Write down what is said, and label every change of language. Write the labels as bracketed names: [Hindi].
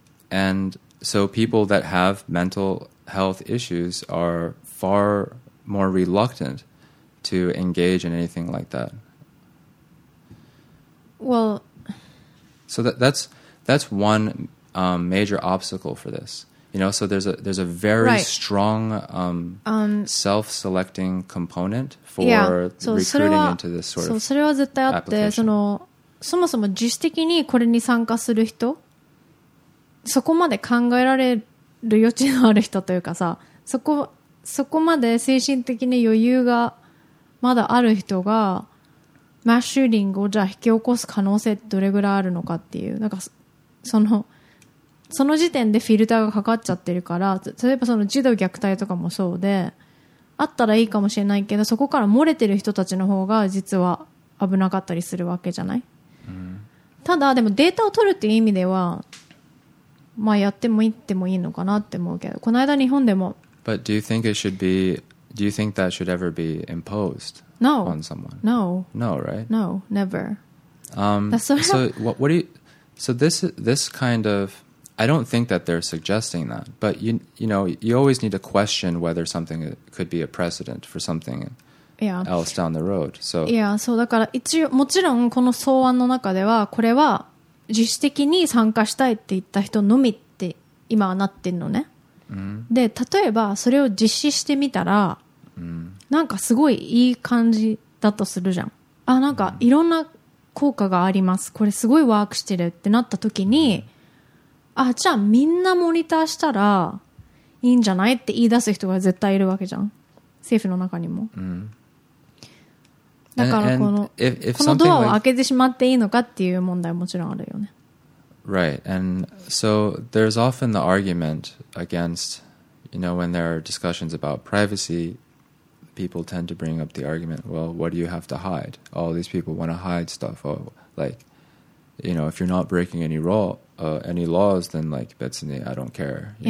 [English] And so people that have mental health issues are far more reluctantto engage in anything like that. Well, so that's one major obstacle for this. You know, so there's a very right. strong self-selecting component for yeah, recruiting into this sort so of [Japanese] そう、それは絶対あって、そのそもそも自主的にこれに参加する人、そこまで考えられる余地のある人というかさ、そこまで精神的に余裕がまだある人がマッシューリングをじゃあ引き起こす可能性ってどれぐらいあるのかっていう、なんかその時点でフィルターがかかっちゃってるから、例えばその児童虐待とかもそうで、あったらいいかもしれないけど、そこから漏れてる人たちの方が実は危なかったりするわけじゃない、 mm-hmm. ただでもデータを取るっていう意味ではまあやってもいってもいいのかなって思うけど、この間日本でも [English] But do you think it should beDo you think that should ever be imposed no, on someone? No. No, right? No, never. So this kind of... I don't think that they're suggesting that. But, you know, you always need to question whether something could be a precedent for something yeah. else down the road. So, yeah, so [Japanese] だから一応もちろんこの草案の中ではこれは自主的に参加したいって言った人のみって今はなってんのね。で例えばそれを実施してみたら、うん、なんかすごいいい感じだとするじゃん、あなんかいろんな効果があります、これすごいワークしてるってなった時に、うん、あじゃあみんなモニターしたらいいんじゃないって言い出す人が絶対いるわけじゃん、政府の中にも、うん、だからこのドアを開けてしまっていいのかっていう問題もちろんあるよね。 [English] Right, and so there's often the argument against, you know, when there are discussions about privacy, people tend to bring up the argument, well, what do you have to hide? All these people want to hide stuff. Oh, like, you know, if you're not breaking any laws, then like, Betsy, I don't care. You